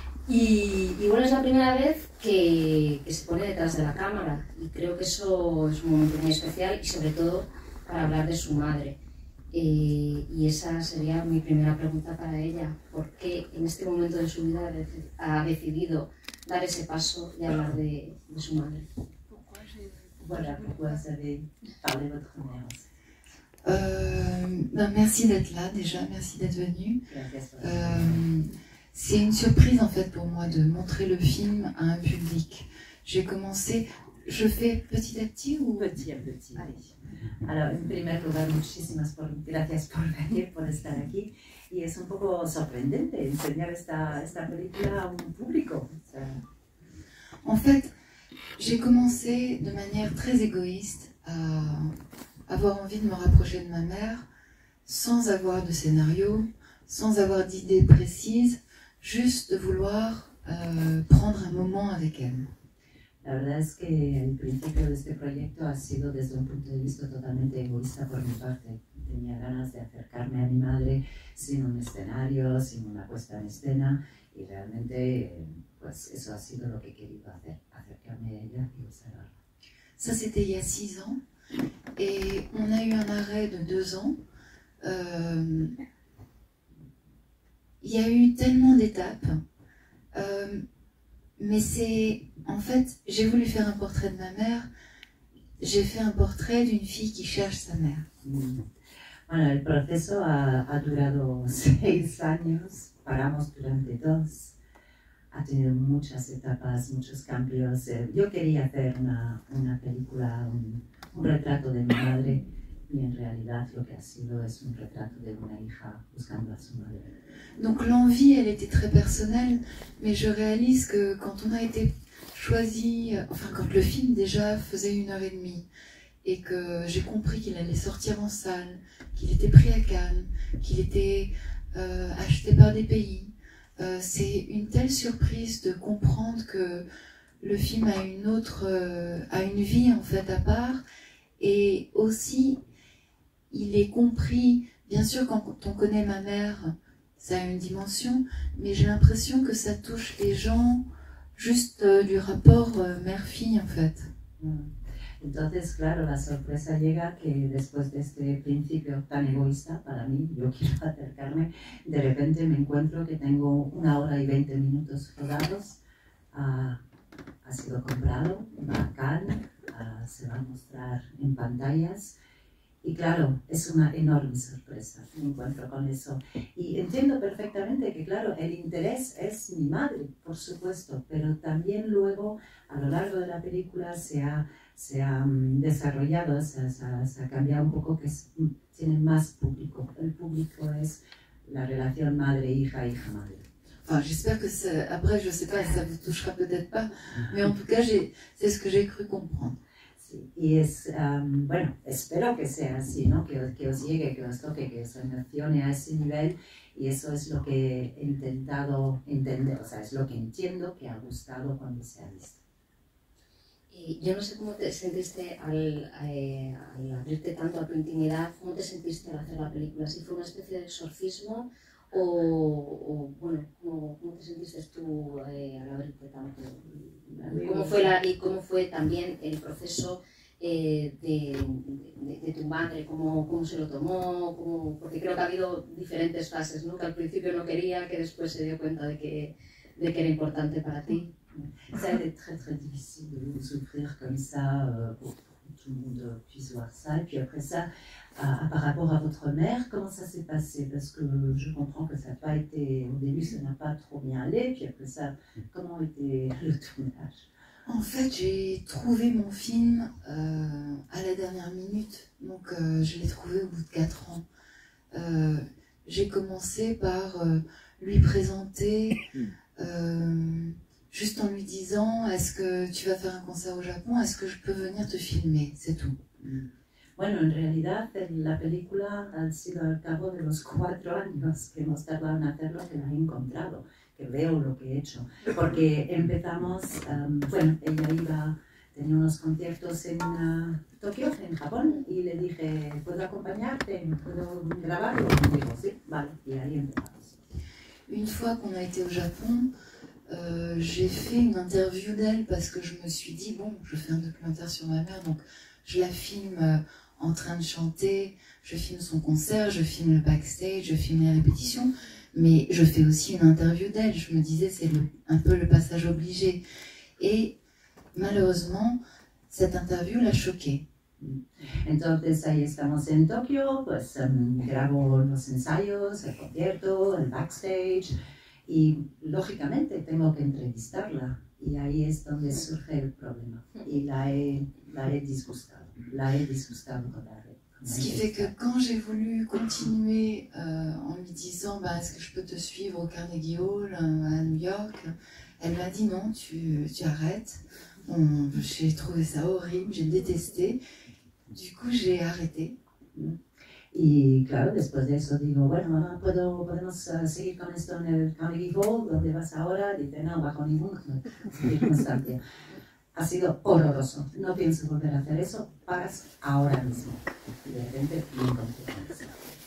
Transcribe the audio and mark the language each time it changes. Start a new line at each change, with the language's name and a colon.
Spanish: Y bueno, es la primera vez que se pone detrás de la cámara y creo que eso es un momento muy especial y sobre todo para hablar de su madre. Y esa sería mi primera pregunta para ella. ¿Por qué en este momento de su vida ha decidido dar ese paso y hablar de su madre?
French: Voilà, pourquoi vous avez parlé de votre mère aussi. Ben merci d'être là déjà, merci d'être venu.
Spanish: Gracias por
French: C'est une surprise en fait pour moi de montrer le film à un public. J'ai commencé, je fais petit à petit ou... Petit à petit, oui. Alors, en premier lieu,
Spanish: gracias por venir, por estar aquí. Y es un poco sorprendente enseñar esta película a un público.
French: En fait, j'ai commencé de manière très égoïste à avoir envie de me rapprocher de ma mère sans avoir de scénario, sans avoir d'idées précises, juste de vouloir prendre un moment avec elle.
Spanish: La verdad es que el principio de este proyecto ha sido desde un punto de vista totalmente egoísta por mi parte. Tenía ganas de acercarme a mi madre sin un escenario, sin una puesta en escena y realmente pues eso ha sido lo que he querido hacer, acercarme a ella y observarla.
French: Ça, c'était il y a 6 ans. Et on a eu un arrêt de 2 ans. Il y a eu tellement d'étapes. Mais c'est, en fait, j'ai voulu faire un portrait de ma mère. J'ai fait un portrait d'une fille qui cherche sa mère.
Spanish: Bueno, el proceso ha durado 6 años, paramos durante 2, ha tenido muchas etapas, muchos cambios. Yo quería hacer una película, un retrato de mi madre, y en realidad lo que ha sido es un retrato de una hija buscando a su madre.
French: Donc l'envie, elle était très personnelle, mais je réalise que quand on a été choisi, enfin quand le film déjà faisait 1 heure et demie, et que j'ai compris qu'il allait sortir en salle, qu'il était pris à Cannes, qu'il était acheté par des pays, c'est une telle surprise de comprendre que le film a a une vie en fait à part, et aussi il est compris, bien sûr, quand on connaît ma mère. Ça a une dimension, mais j'ai l'impression que ça touche les gens juste du rapport mère-fille, en fait.
Spanish: Entonces, claro, la sorpresa llega que después de este principio tan egoísta para mí, yo quiero acercarme, de repente me encuentro que tengo 1 hora y 20 minutos rodados, ha sido comprado, va a Cannes, se va a mostrar en pantallas y claro, es una enorme sorpresa, me encuentro con eso. Y entiendo perfectamente que, claro, el interés es mi madre, por supuesto, pero también luego, a lo largo de la película, se ha desarrollado, se ha cambiado un poco, que tiene más público. El público es la relación madre-hija, hija-madre.
French: Enfin, j'espère que ça... Après, je ne sais pas, ça vous touchera peut-être pas, mais en tout cas, c'est ce que j'ai cru comprendre.
Spanish: Sí, y es, bueno, espero que sea así, ¿no? Que os llegue, que os toque, que os emocione a ese nivel. Y eso es lo que he intentado entender, o sea, es lo que entiendo que ha gustado cuando se ha visto. Yo no sé cómo te sentiste al abrirte tanto a tu intimidad, cómo te sentiste al hacer la película, si fue una especie de exorcismo. Bueno, ¿cómo te sentiste tú al abrirte tanto? ¿Cómo fue cómo fue también el proceso de tu madre? ¿Cómo se lo tomó? Porque creo que ha habido diferentes fases, ¿no? Que al principio no quería, que después se dio cuenta de que era importante para ti.
French: Ça a été très très difficile de vous souffrir comme ça pour que tout le monde puisse voir ça. Et puis après ça, par rapport à votre mère, comment ça s'est passé? Parce que je comprends que ça n'a pas été, au début, ça n'a pas trop bien allé. Puis après ça, comment était le tournage? En fait, j'ai trouvé mon film à la dernière minute, donc je l'ai trouvé au bout de 4 ans. j'ai commencé par lui présenter, juste en lui disant, est-ce que tu vas faire un concert au Japon, est-ce que je peux venir te filmer, c'est tout.
Spanish: Bueno, en realidad, la película ha sido al cabo de los 4 años que hemos tardado en hacerlo, que la he encontrado, que veo lo que he hecho. Porque empezamos, bueno, ella iba, tenía unos conciertos en Tokio, en Japón, y le dije, ¿puedo acompañarte? ¿Puedo grabarlo? Y dijo, sí, vale, y ahí empezamos.
French: Une fois qu'on a été au Japon, j'ai fait une interview d'elle parce que je me suis dit, bon, je fais un documentaire sur ma mère, donc je la filme en train de chanter, je filme son concert, je filme le backstage, je filme les répétitions, mais je fais aussi une interview d'elle. Je me disais, c'est un peu le passage obligé. Et malheureusement, cette interview l'a choquée.
Spanish: Entonces, ahí estamos en Tokio, pues grabo los ensayos, el concierto, el backstage, y lógicamente tengo que entrevistarla. Y ahí es donde surge el problema. Y la he disgustado con la red.
French: Ce qui fait que quand j'ai voulu continuer en lui disant bah, est-ce que je peux te suivre au Carnegie Hall à New York, elle m'a dit non, tu arrêtes. Bon, j'ai trouvé ça horrible, j'ai détesté. Du coup, j'ai arrêté.
Spanish: Y claro, después de eso digo, bueno, podemos seguir con esto en el Carnegie Hall, ¿dónde vas ahora? Dice, no, bajo ninguna circunstancia. Ha sido horroroso. No pienso volver a hacer eso. Paras ahora mismo. Y de repente, ningún problema.